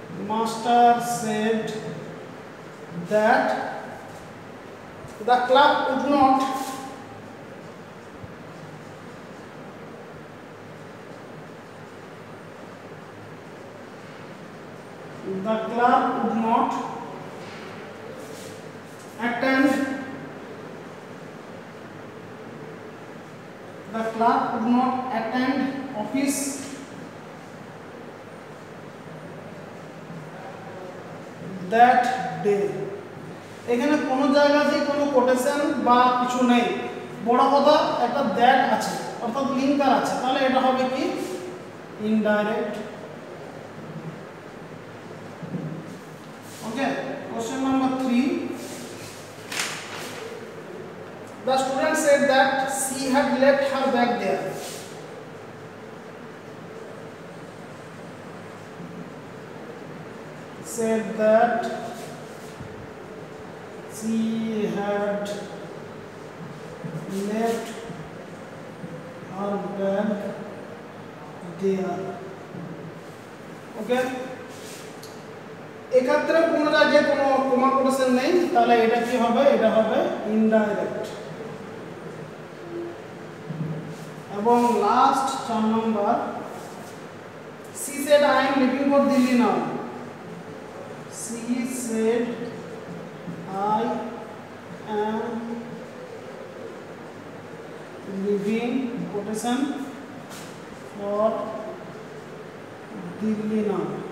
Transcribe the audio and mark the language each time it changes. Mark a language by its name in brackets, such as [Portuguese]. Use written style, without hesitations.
[English] Master said that the club would not The club would not attend. The club would not attend office that day. [Bangla] এখানে কোনো জায়গাতেই কোনো quotation বা কিছু নেই বড় কথা একটা দ্যাট আছে অর্থাৎ লিঙ্কার আছে তাহলে এটা হবে কি indirect [English] Question number 3. The student said that she had left her bag there. Said that she had left her bag there. Okay? [Bangla] এক্ষেত্রে কোনো জায়গায় কোনো কমা কোটেশন নেই তাহলে এটা কি হবে এটা হবে ইনডাইরেক্ট এবং last 4 number [English] she said I am living for Delhi now [Bangla] she said I am living quotation for Delhi now